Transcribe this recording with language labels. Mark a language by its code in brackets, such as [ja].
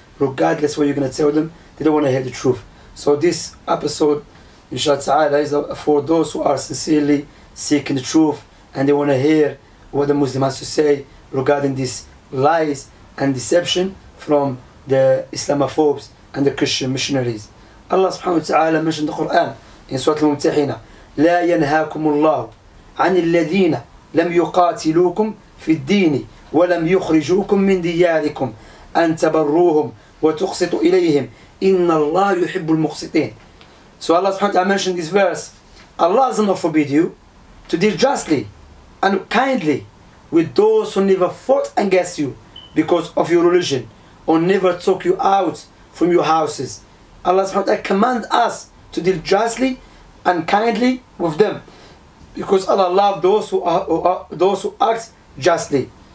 [en] Regardless what you're going to tell them, they don't want to hear the truth. So this episode, inshallah ta'ala, is for those who are sincerely seeking the truth and they want to hear what the Muslim has to say regarding these lies and deception from the Islamophobes and the Christian missionaries. Allah subhanahu wa ta'ala mentioned the Quran in Surah Al-Mumtahinah. [ar] لا ينهاكم الله عن الذين لم يقاتلوكم في الدين ولم يخرجوكم من دياركم أن تبروهم وتقسطوا إليهم إن الله يحب المقسطين. [en] So Allah subhanahu wa ta'ala mentioned this verse. Allah does not forbid you to deal justly and kindly with those who never fought against you because of your religion or never took you out from your houses. Allah subhanahu wa ta'ala command us to deal justly and kindly with them, because Allah loves those who act justly.